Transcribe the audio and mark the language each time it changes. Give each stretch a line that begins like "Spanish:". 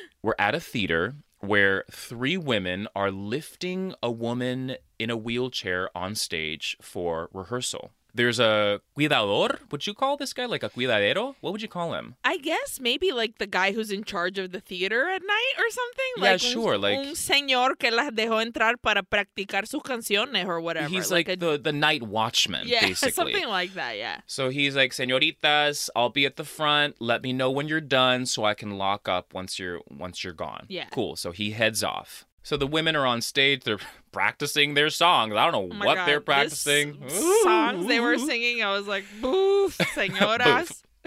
English: We're at a theater where three women are lifting a woman in a wheelchair on stage for rehearsal. There's a cuidador. Would you call this guy like a cuidadero? What would you call him? I guess maybe like the guy who's in charge of the theater at night or something. Yeah, like, sure. Like
Spanish: un señor que las dejó entrar para practicar sus canciones
English: or whatever. He's like the night watchman, yeah, basically. Something like that, yeah. So he's like, señoritas, I'll be at the front. Let me know when you're done so I can lock up once you're gone. Yeah. Cool. So he heads off. So the women are on stage. They're practicing their songs. I don't know they're practicing. Songs they were singing. I was like, boof, señoras.